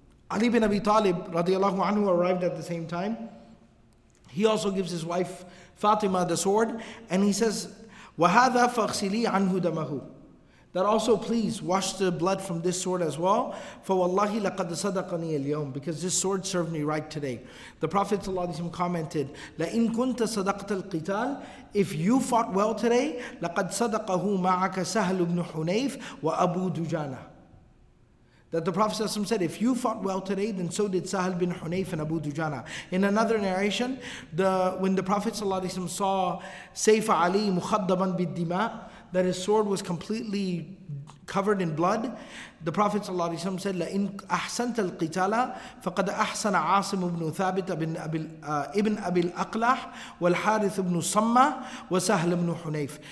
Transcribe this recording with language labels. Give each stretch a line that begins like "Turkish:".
English: Ali bin Abi Talib radiallahu anhu arrived at the same time. He also gives his wife Fatima the sword, and he says,
Arabic: وَهَذَا فَغْسِلِي عَنْهُ دَمَهُ.
English: That also, please, wash the blood from this sword as well.
Arabic: فَوَاللَّهِ لَقَدْ صَدَقَنِي الْيَوْمِ.
English: Because this sword served me right today. The Prophet ﷺ commented,
Arabic: لَإِن كُنْتَ صَدَقْتَ الْقِتَالِ.
English: If you fought well today,
Arabic: لَقَدْ صَدَقَهُ مَعَكَ سَهْلُ بْنُ حُنَيْفِ وَأَبُو دُجَانَ.
English: That the Prophet ﷺ said, if you fought well today, then so did Sahal bin Hunayf and Abu Dujana. In another narration, when the Prophet ﷺ saw
Arabic: Sayf Ali mukhaddaban bid dima,
English: that his sword was completely covered in blood, the Prophet ﷺ said,
Arabic: لَإِنْ أَحْسَنْتَ الْقِتَالَ فَقَدْ أَحْسَنَ عَاصِمُ بْنُ ثَابِتَ بِنْ أَبِي الْأَقْلَحِ وَالْحَارِثُ بْنُ صَمَّةِ وَسَهْلُ بْنُ حُنَيْفِ.